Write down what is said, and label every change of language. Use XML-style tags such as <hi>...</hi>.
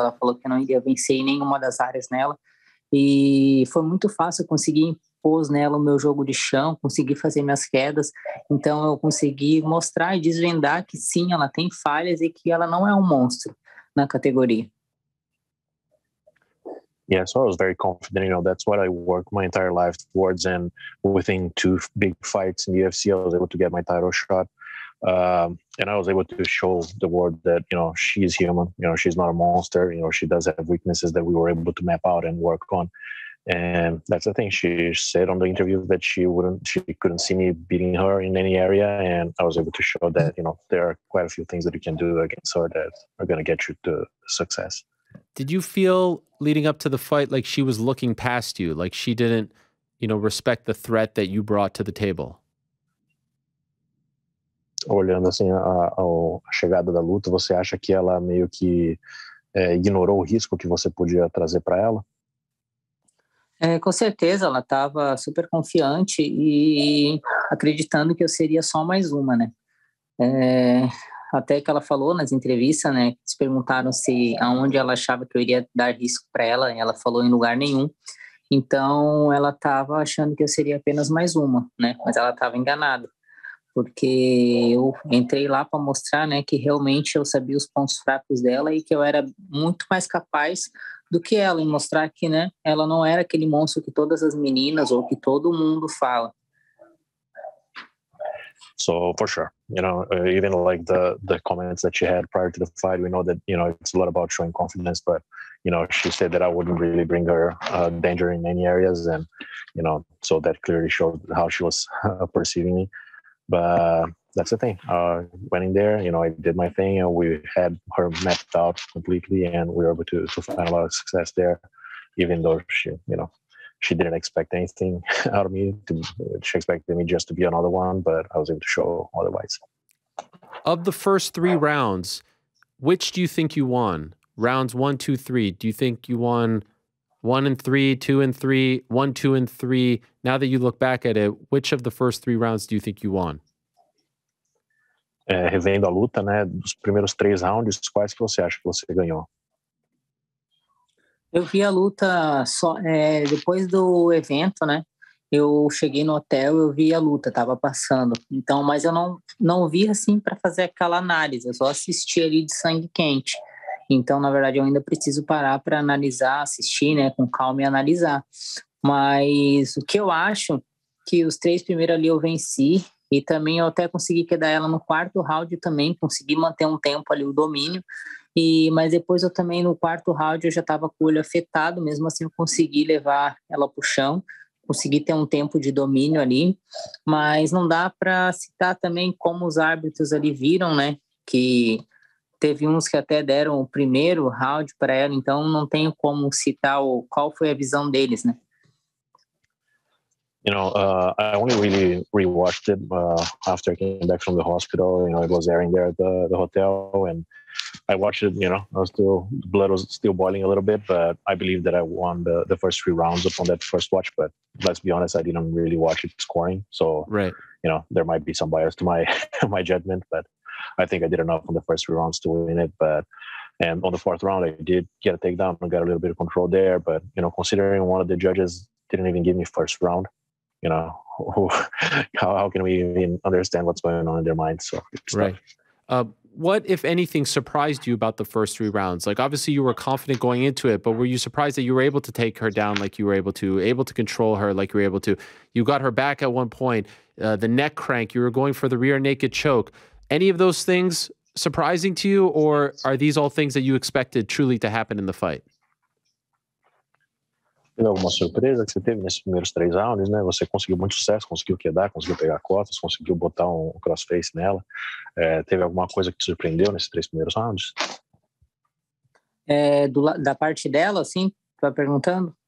<pt>Ela falou que não iria vencer em nenhuma das áreas nela. E foi muito fácil conseguir pôs nela o meu jogo de chão, consegui fazer minhas quedas, então eu consegui mostrar e desvendar que sim, ela tem falhas e que ela não é um monstro na categoria.</pt> <en>Yeah, so I was very confident, you know, that's what I worked my entire life towards, and within 2 big fights in the UFC, I was able to get my title shot, and I was able to show the world that, you know, she's human, you know, she's not a monster, you know, she does have weaknesses that we were able to map out and work on. And that's the thing. She said on the interview that she couldn't see me beating her in any area. And I was able to show that, you know, there are quite a few things that you can do against her that are going to get you to success. Did you feel leading up to the fight like she was looking past you, like she didn't, you know, respect the threat that you brought to the table?</en> <pt>Olhando assim a chegada da luta, você acha que ela meio que ignorou o risco que você podia trazer para ela? É, com certeza, ela estava super confiante e acreditando que eu seria só mais uma, né? É, até que ela falou nas entrevistas, né? Se perguntaram se aonde ela achava que eu iria dar risco para ela, e ela falou em lugar nenhum. Então, ela estava achando que eu seria apenas mais uma, né? Mas ela estava enganada, porque eu entrei lá para mostrar, né, que realmente eu sabia os pontos fracos dela e que eu era muito mais capaz do que ela, e mostrar que, né, ela não era aquele monstro que todas as meninas ou que todo mundo fala.</pt> <en>So, for sure, you know, even like the comments that she had prior to the fight, we know that, you know, it's a lot about showing confidence, but, you know, she said that I wouldn't really bring her danger in any areas, and, you know, so that clearly showed how she was perceiving me. But that's the thing. Went in there, you know, I did my thing, and we had her mapped out completely, and we were able to find a lot of success there, even though she, you know, she didn't expect anything out of me. She expected me just to be another one, but I was able to show otherwise. Of the first three rounds, which do you think you won? Rounds 1, 2, 3. Do you think you won 1 and 3, 2 and 3, 1, 2 and 3? Now that you look back at it, which of the first three rounds do you think you won?</en> <pt>É, revendo a luta, né, dos primeiros três rounds, quais que você acha que você ganhou? Eu vi a luta só depois do evento, né? Eu cheguei no hotel, eu vi a luta, tava passando. Então, mas eu não vi assim para fazer aquela análise, eu só assisti ali de sangue quente. Então, na verdade, eu ainda preciso parar para analisar, assistir, né, com calma e analisar. Mas o que eu acho que os três primeiros ali eu venci. E também eu até consegui quedar ela no quarto round também, consegui manter um tempo ali o domínio. E, mas depois eu também, no quarto round, eu já estava com o olho afetado, mesmo assim eu consegui levar ela para o chão, consegui ter um tempo de domínio ali. Mas não dá para citar também como os árbitros ali viram, né? Que teve uns que até deram o primeiro round para ela, então não tenho como citar qual foi a visão deles, né?</pt> <en>You know, I only really rewatched it after I came back from the hospital. You know, it was airing there at the hotel, and I watched it. You know, I was still, the blood was still boiling a little bit, but I believe that I won the first three rounds upon that first watch. But let's be honest, I didn't really watch it scoring, so right. You know, there might be some bias to my my judgment, but I think I did enough on the first three rounds to win it. But and on the fourth round, I did get a takedown and got a little bit of control there. But you know, considering one of the judges didn't even give me first round, you know, how can we even understand what's going on in their minds? So, right. What, if anything, surprised you about the first three rounds? Like, obviously you were confident going into it, but were you surprised that you were able to take her down like you were able to control her like you were able to? You got her back at one point, the neck crank, you were going for the rear naked choke. Any of those things surprising to you, or are these all things that you expected truly to happen in the fight?</en> <pt>Teve alguma surpresa que você teve nesses primeiros três rounds, né? Você conseguiu muito sucesso, conseguiu quedar, conseguiu pegar costas, conseguiu botar um crossface nela. É, teve alguma coisa que te surpreendeu nesses três primeiros rounds? É, da parte dela, assim, tá perguntando?</pt>